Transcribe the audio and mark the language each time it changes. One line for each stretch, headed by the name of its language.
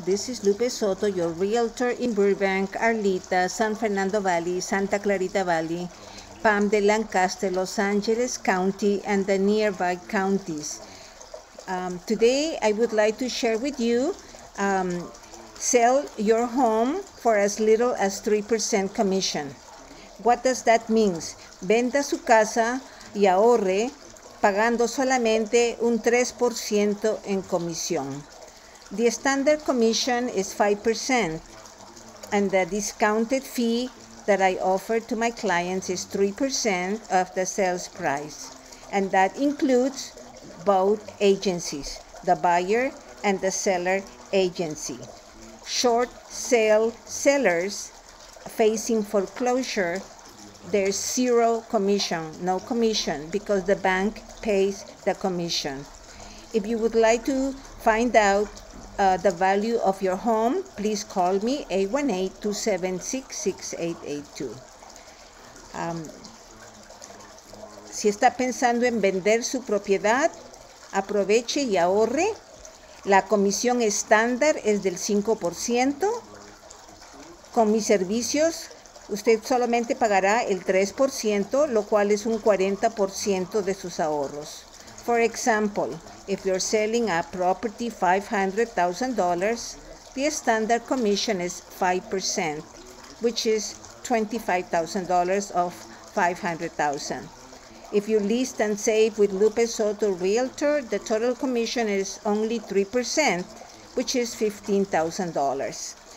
English: This is Lupe Soto, your realtor in Burbank, Arleta, San Fernando Valley, Santa Clarita Valley, Palm de Lancaster, Los Angeles County, and the nearby counties. Today, I would like to share with you sell your home for as little as 3% commission. What does that mean?
Spanish: Venda su casa y ahorre pagando solamente un 3% en comisión.
English: The standard commission is 5% and the discounted fee that I offer to my clients is 3% of the sales price. And that includes both agencies, the buyer and the seller agency. Short sale sellers facing foreclosure, there's zero commission, no commission, because the bank pays the commission. If you would like to find out the value of your home, please call me 818-276-6882.
Spanish: Si está pensando en vender su propiedad, aproveche y ahorre. La comisión estándar es del 5%. Con mis servicios, usted solamente pagará el 3%, lo cual es un 40% de sus ahorros.
English: For example, if you're selling a property $500,000, the standard commission is 5%, which is $25,000 of $500,000. If you list and save with Lupe Soto Realtor, the total commission is only 3%, which is $15,000.